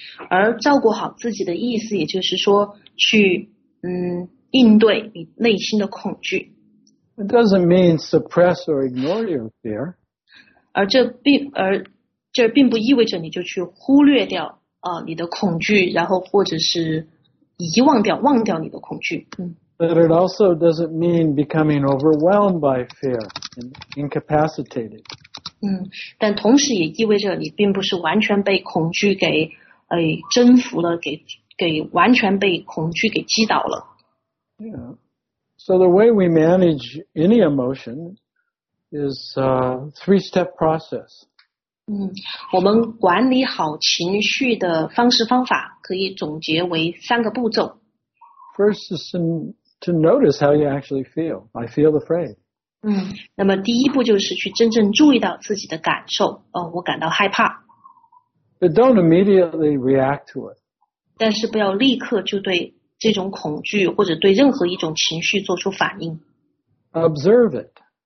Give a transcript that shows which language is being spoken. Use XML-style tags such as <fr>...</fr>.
<zh>而照顾好自己的意思也就是说去应对你内心的恐惧。</zh> <en>It doesn't mean suppress or ignore your fear.</en> <zh>而这并不意味着你就去忽略掉你的恐惧，然后或者是遗忘掉忘掉你的恐惧。</zh> <en>But it also doesn't mean becoming overwhelmed by fear and incapacitated.</en> <zh>但同时也意味着你并不是完全被恐惧给征服了，给完全被恐惧给击倒了。</zh> <en>So the way we manage any emotion is a three-step process.</en> <zh>我们管理好情绪的方式方法可以总结为三个步骤。</zh> <en>First is to notice how you actually feel. I feel afraid.</en> <zh>那么第一步就是去真正注意到自己的感受，我感到害怕。</zh> <en>But don't immediately react to it.</en> <zh>但是不要立刻就对这种恐惧或者对任何一种情绪做出反应。</zh> <en>Observe it.</en>